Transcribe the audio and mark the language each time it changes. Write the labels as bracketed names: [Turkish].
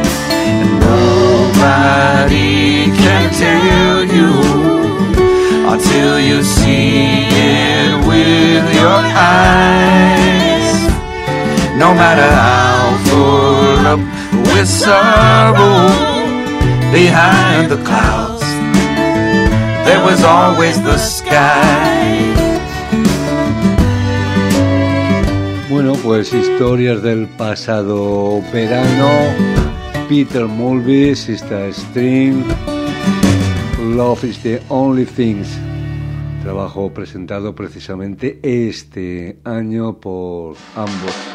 [English] And nobody can tell you, until you see it with your eyes. No matter how full up with sorrow, behind the clouds there was always the sky. [Spanish] Bueno, pues historias del pasado verano. [English] Peter Mulvey, Sister String, Love is the Only Thing. [Spanish] Trabajo presentado precisamente este año por ambos.